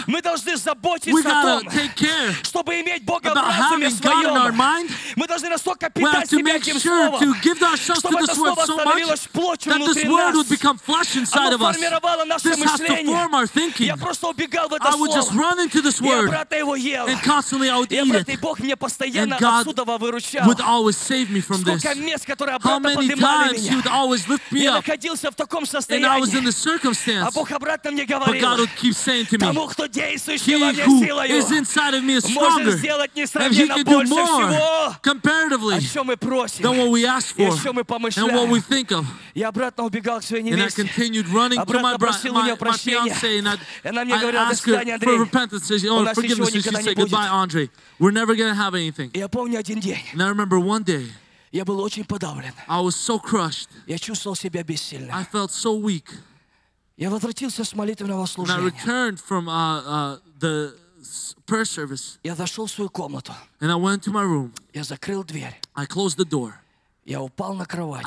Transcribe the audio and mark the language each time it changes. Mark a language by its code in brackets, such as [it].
[ru] мы должны заботиться о том, [en] take care [ru] чтобы иметь Бога в разуме своем. Мы должны настолько питать себя этим словом. [en] To give ourselves to this word so much that this word would become flesh inside of us. This has to form our thinking. I would just run into this word and constantly I would eat it. And God would always save me from this. How many times he would always lift me up and I was in this circumstance but God would keep saying to me he who is inside of me is stronger and he can do more comparatively than what we ask for and what we think of. And I continued running to my fiancé and I asked her for repentance. Forgiveness. She said, goodbye, Andre. We're never going to have anything. And I remember one day [ru] Я был очень подавлен. [en] I was so crushed. [ru] Я чувствовал себя бессильным. [en] I felt so weak. [ru] Я возвратился с молитвенного служения. [en] And I returned from the prayer service. [ru] Я зашел в свою комнату. [en] And I went to my room. [ru] Я закрыл дверь. [en] I closed the door. [ru] Я упал на кровать.